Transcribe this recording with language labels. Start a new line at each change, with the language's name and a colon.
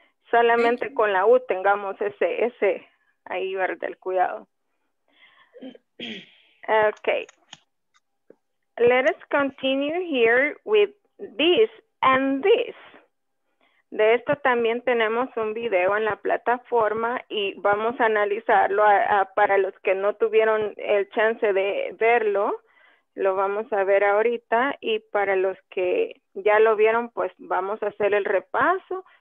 Spanish: Solamente con la U tengamos ese ahí, ¿verdad? El cuidado. Ok.
English: Let us continue here with this and this.
Spanish: De esto también tenemos un video en la plataforma y vamos a analizarlo para los que no tuvieron el chance de verlo. Lo vamos a ver ahorita y para los que ya lo vieron, pues vamos a hacer el repaso.